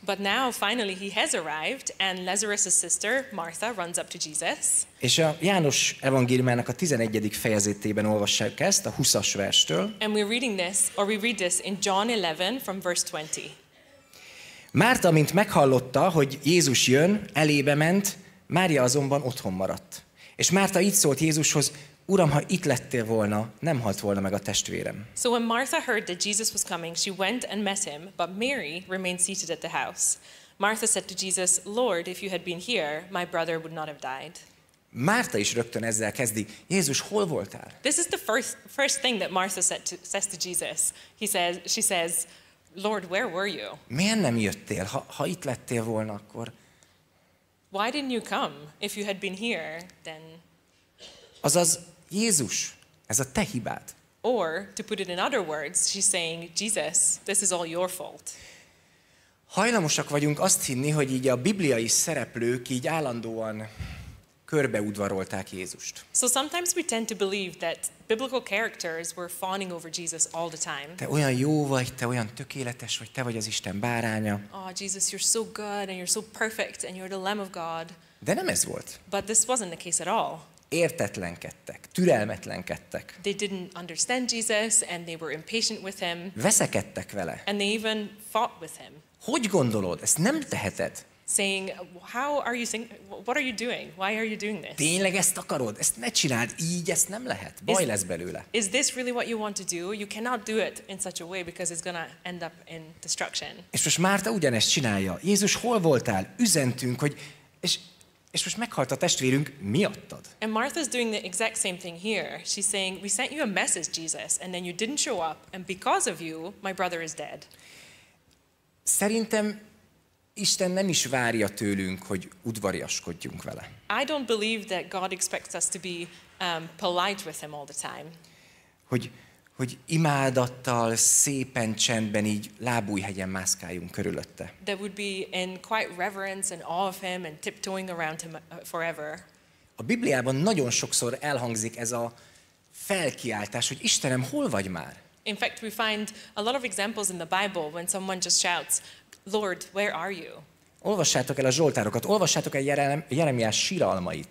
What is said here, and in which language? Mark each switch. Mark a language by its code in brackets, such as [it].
[en] But now finally he has arrived and Lazarus's sister Martha runs up to Jesus. [hu] És a János evangéliumának a 11. fejezetében olvassuk ezt a 20-as verstől. [en] And we're reading this, or we read this in John 11 from verse 20. [hu] Márta, mint meghallotta, hogy Jézus jön, elébe ment, Mária azonban otthon maradt. És Márta így szólt Jézushoz: Uram, ha itt lettél volna, nem halt volna meg a testvérem. [en] So when Martha heard that Jesus was coming, she went and met him, but Mary remained seated at the house. Martha said to Jesus, Lord, if you had been here, my brother would not have died. [hu] Márta is rögtön ezzel kezdi. Jézus, hol voltál? [en] This is the first thing that Martha says to Jesus. She says, Lord, where were you? [hu] Miért nem jöttél? Ha itt lettél volna, akkor... [en] Why didn't you come? If you had been here, then... [hu] Azaz, Jézus, ez a te hibád. [en] Or, to put it in other words, she's saying, Jesus, this is all your fault. [hu] Hajlamosak vagyunk azt hinni, hogy így a bibliai szereplők így állandóan körbeudvarolták Jézust. [en] So sometimes we tend to believe that biblical characters were fawning over Jesus all the time. [hu] Te olyan jó vagy, te olyan tökéletes vagy, te vagy az Isten báránya. [en] Oh, Jesus, you're so good and you're so perfect and you're the Lamb of God. [hu] De nem ez volt. [en] But this wasn't the case at all. [hu] Értetlenkedtek, türelmetlenkedtek. [en] They didn't understand Jesus and they were impatient with him. [hu] Veszekedtek vele. [en] And they even fought with him. [hu] Hogy gondolod, ezt nem teheted? [en] Saying, how are you saying, what are you doing? Why are you doing this? [hu] Tényleg ezt akarod? Ezt ne csináld, így ezt nem lehet. Baj lesz belőle. [en] Is this really what you want to do? You cannot do it in such a way because it's gonna end up in destruction. [hu] És most Márta ugyanezt csinálja. Jézus, hol voltál? Üzentünk, hogy... És most meghalt a testvérünk miattad. [en] And Martha's doing the exact same thing here. She's saying, we sent you a message, Jesus, and then you didn't show up, and because of you, my brother is dead. [hu] Szerintem Isten nem is várja tőlünk, hogy udvariaskodjunk vele. [en] I don't believe that God expects us to be polite with him all the time. [hu] Hogy imádattal, szépen csendben így lábújhegyen mászkáljunk körülötte. [en] That would be in quite reverence and awe of him and tiptoeing around him forever. [hu] A Bibliában nagyon sokszor elhangzik ez a felkiáltás, hogy Istenem, hol vagy már? [en] In fact, we find a lot of examples in the Bible when someone just shouts, Lord, where are you? [hu] Olvassátok el a Zsoltárokat, olvassátok el Jeremiás síralmait.